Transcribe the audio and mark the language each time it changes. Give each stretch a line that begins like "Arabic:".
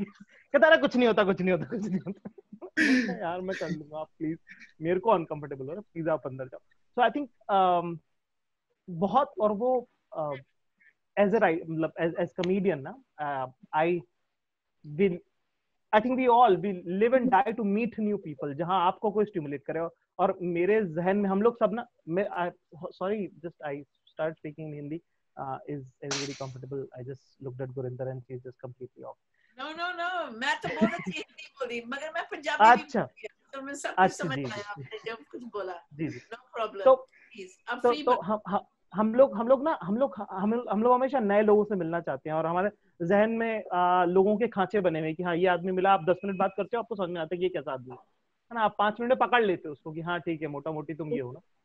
Hindi: कहता रहा कुछ नहीं होता कुछ नहीं होता कुछ नहीं होता यार मैं कर लूंगा आप प्लीज मेरे को अनकंफर्टेबल हो रहा है प्लीज आप अंदर जाओ
English: so I think
Hindi: बहुत और वो
English: as a right
Hindi: मतलब एज कॉमेडियन ना
English: I will I think we all we live and die to meet new people
Hindi: जहां आपको कोई स्टिमुलेट करे और मेरे जहन में हम लोग सब ना
English: Sorry just I start speaking in Hindi is very comfortable. I just looked at Gurinder and he's just completely off. No.
Hindi: मैं तो बोला थी हिंदी बोली, मगर मैं पंजाबी भी बोली. अच्छा. तो मैं सब कुछ समझ आया आपने जब कुछ बोला. जी जी.
English: No problem. So, please.
Hindi: So हम लोग हमेशा नए लोगों से मिलना चाहते हैं और हमारे जहन में लोगों के खांचे बने हुए कि हाँ ये आदमी मिला आप 10 मिनट बात करते हो आपको समझ में आता है कि ये कैसा आदमी है ना आप 5 मिनट पकड़ लेते हो उसको कि हाँ ठीक है मोटा मोटी तुम ये हो ना